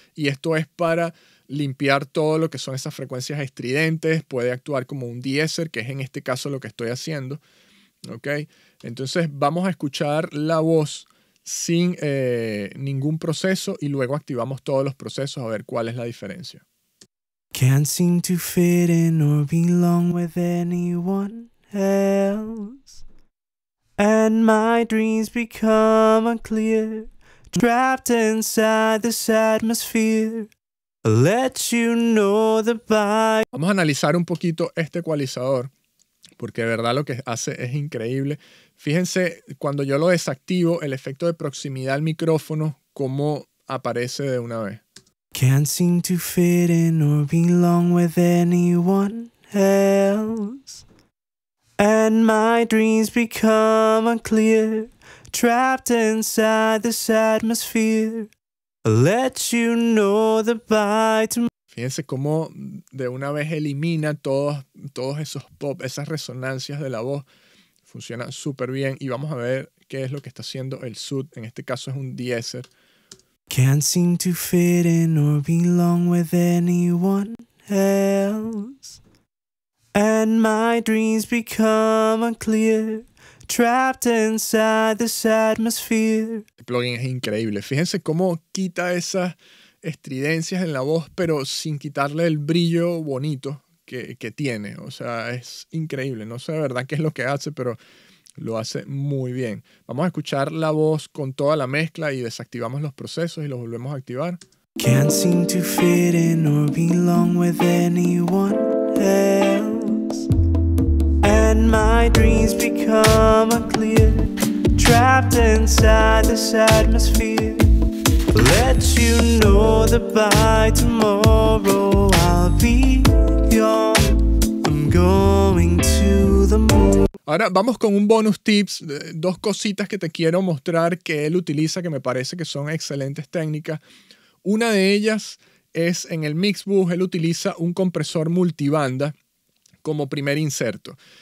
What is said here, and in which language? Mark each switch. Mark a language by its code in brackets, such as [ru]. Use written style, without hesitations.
[es] Y esto es para limpiar todo lo que son esas frecuencias estridentes. Puede actuar como un deesser, que es en este caso lo que estoy haciendo. ¿okay? Entonces vamos a escuchar la voz sin ningún proceso y luego activamos todos los procesos a ver cuál es la diferencia. [en] Can't seem to fit in or belong with anyone else. And my dreams become unclear, trapped inside this atmosphere. I'll let you know the vibe. [es] Vamos a analizar un poquito este ecualizador, porque de verdad lo que hace es increíble. Fíjense, cuando yo lo desactivo, el efecto de proximidad al micrófono, cómo aparece de una vez. [en] Can't seem to fit in or belong with anyone else. And my dreams become unclear, trapped inside this atmosphere. I'll let you know the bite tomorrow. [es] Fíjense cómo de una vez elimina todos esos pop, esas resonancias de la voz. Funciona súper bien. Y vamos a ver qué es lo que está haciendo el sud. En este caso es un diezer. [en] Can't seem to fit in or belong with anyone else. And my dreams become unclear, trapped inside this atmosphere. [es] El plugin es increíble. Fíjense cómo quita esas estridencias en la voz, pero sin quitarle el brillo bonito que tiene. O sea, es increíble. No sé de verdad qué es lo que hace, pero lo hace muy bien. Vamos a escuchar la voz con toda la mezcla y desactivamos los procesos y los volvemos a activar. [en] Can't seem to fit in or belong with anyone else. And my dreams become unclear, trapped inside this atmosphere. Let you know that by tomorrow I'll be gone. I'm going to the moon. [es] Ahora vamos con un bonus tips, dos cositas que te quiero mostrar que él utiliza que me parece que son excelentes técnicas. Una de ellas es en el Mixbus, él utiliza un compresor multibanda como primer inserto.